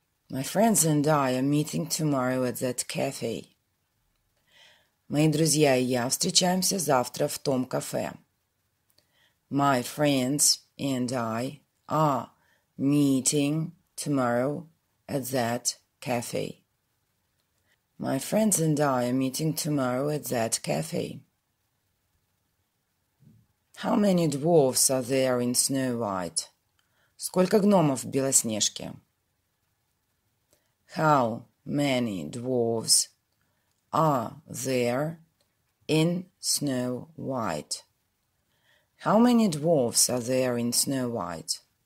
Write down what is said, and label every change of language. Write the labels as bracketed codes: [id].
[en] My friends and I are meeting tomorrow at that cafe. [ru] Мои друзья и я встречаемся завтра в том кафе. [en] My friends and I are meeting tomorrow at that cafe. My friends and I are meeting tomorrow at that cafe. How many dwarfs are there in Snow White? [ru] Сколько гномов в Белоснежке? [en] How many dwarfs are there in Snow White? How many dwarfs are there in Snow White?